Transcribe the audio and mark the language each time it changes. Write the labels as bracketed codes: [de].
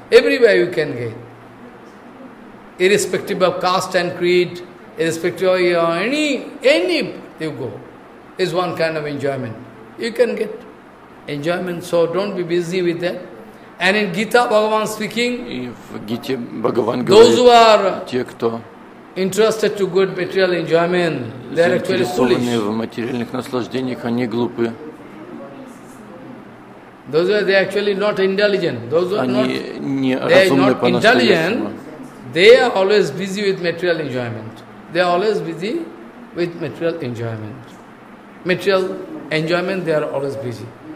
[en] Everywhere you can get, irrespective of caste and creed, irrespective of any you go, is one kind of enjoyment. You can get enjoyment, so don't be busy with that. And in Gita, Bhagavan speaking, those who are interested to good material enjoyment, they are actually foolish. [ru] В материальных наслаждениях они глупы. [en] Those who are, they are actually not intelligent. Those who [ru] они [en] are not, they are not intelligent. They are always busy with material enjoyment. They are always busy with material enjoyment. Material enjoyment, they are always busy.